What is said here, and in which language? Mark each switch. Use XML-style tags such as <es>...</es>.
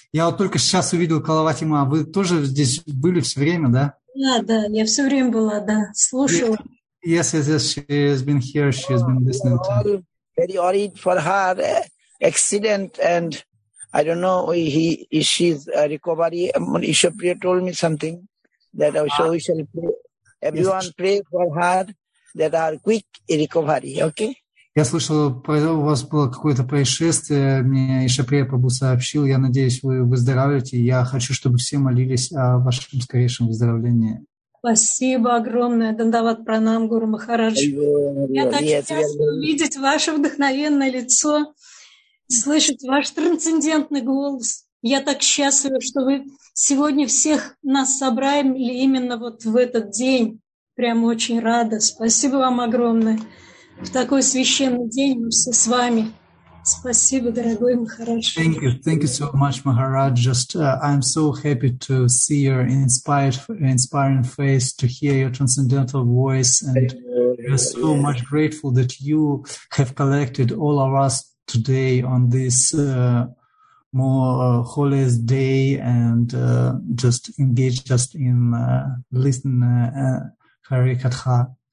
<ru>Я вот только сейчас увидел Калавати Ма. Вы тоже здесь были все время, да? Да, да. Я все время была, да. Слушала.</ru> <en>Yes, she has been here, she has been listening to me. Very worried for her accident, and I don't know, she's recovery. Ishapriya told me something that so we shall pray. Everyone pray for her that her quick recovery, okay?</en> <ru>Я слышал, у вас было какое-то происшествие, мне Ишаприя Прабу сообщил, я надеюсь, вы выздоравливаете, я хочу, чтобы все молились о вашем скорейшем выздоровлении. Спасибо огромное, Дандават Пранам, Гуру Махарадж. Я так счастлива увидеть ваше вдохновенное лицо, слышать ваш трансцендентный голос. Я так счастлива, что вы сегодня всех нас собрали именно вот в этот день. Прямо очень рада. Спасибо вам огромное. В такой священный день мы все с вами. Спасибо, дорогой Махарадж.</ru> <en>Thank you so much, Maharaj. Just I'm so happy to see your inspiring face, to hear your transcendental voice, and we're so much grateful that you have collected all of us today on this more holiest day and just engaged us in listening Hari Katha.</en>